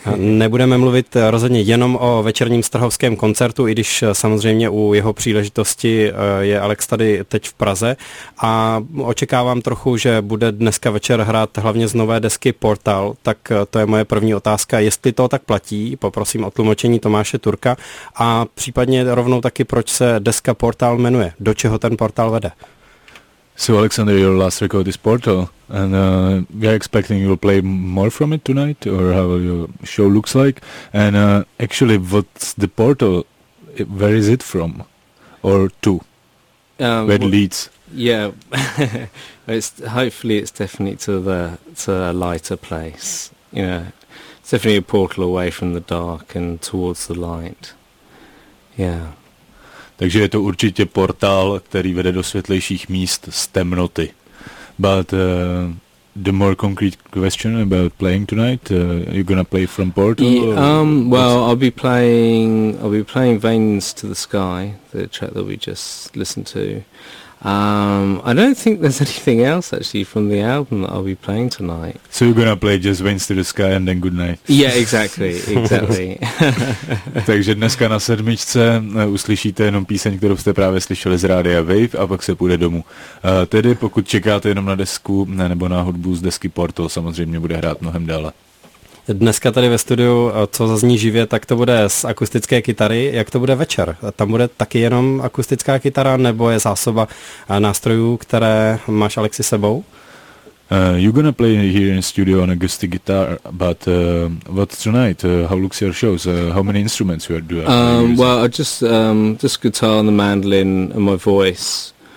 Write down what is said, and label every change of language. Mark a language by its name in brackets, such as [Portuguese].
[Czech] Nebudeme mluvit rozhodně jenom o večerním strahovském koncertu, i když samozřejmě u jeho příležitosti je Alex tady teď v Praze. A očekávám trochu, že bude dneska večer hrát hlavně z nové desky Portal, tak to je moje první otázka, jestli to tak platí, poprosím o tlumočení Tomáše Turka, a případně rovnou taky, proč se deska Portal jmenuje, do čeho ten portál vede. [English] So Alexander, your last record is Portal, and we are expecting you will play more from it tonight, or how your show looks like, and actually what's the portal, where is it from, or to, where it leads? Yeah, hopefully it's definitely to a lighter place, you know, it's definitely a portal away from the dark and towards the light, yeah. [Czech] Takže je to určitě portál, který vede do světlejších míst z temnoty. [English] But the more concrete question about playing tonight, you're gonna play from Portal? I'll be playing Veins to the Sky, the track that we just listened to. I don't think there's anything else actually from the album that I'll be playing tonight. So you're gonna play just Veins to the Sky and then Goodnight. Yeah, exactly, exactly. [Czech] Takže dneska na sedmičce uslyšíte jenom píseň, kterou jste právě slyšeli z rádia Wave, a pak se půjde domů. Tedy pokud čekáte jenom na desku nebo na hudbu z desky Portal, samozřejmě bude hrát mnohem dále. Dneska tady ve studiu, co zazní živě, tak to bude z akustické kytary. Jak to bude večer? Tam bude taky jenom akustická kytara, nebo je zásoba nástrojů, které máš, Alexi, sebou? [English] You're gonna play here in studio on acoustic guitar, but what tonight? How looks your shows? How many instruments you are doing? Just guitar and the mandolin and my voice.